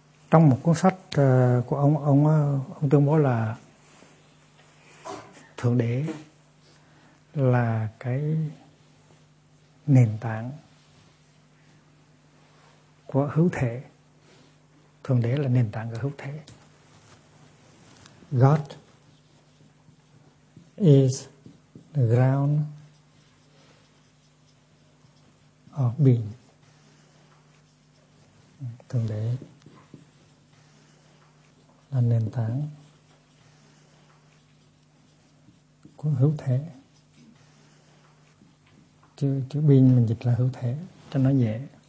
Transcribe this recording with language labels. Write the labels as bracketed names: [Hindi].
[Vietnamese] Trong một cuốn sách của ông tuyên bố là Thượng Đế là cái nền tảng của hữu thể. Thượng Đế là nền tảng của hữu thể. [English] God is the ground of being. [Vietnamese] Thượng Đế là nền tảng của hữu thể. Chữ bình mình dịch là hữu thể cho nó dễ.